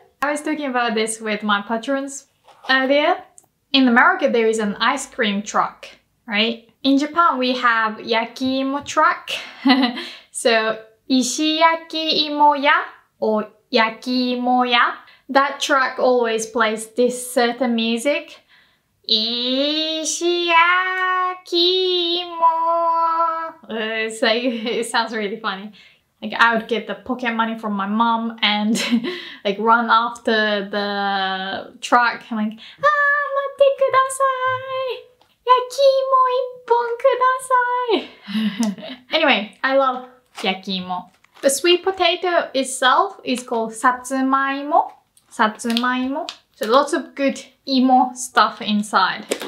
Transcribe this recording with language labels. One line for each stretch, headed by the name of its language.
English: I was talking about this with my patrons earlier. In America, there is an ice cream truck, right? In Japan, we have 焼き芋 truck. So,
Japanese: 石焼き芋屋 or 焼き芋屋
English: That track always plays this certain music.
Japanese: 石焼き芋
English: It's like, it sounds really funny. Like, I would get the pocket money from my mom and like run after the track. I'm like,
Japanese: ah, 待ってください焼き芋一本ください
English: Anyway, I love 焼き芋 The sweet potato itself is called
Japanese: さつまいもさつまいも。
English: So lots of good 芋 stuff inside.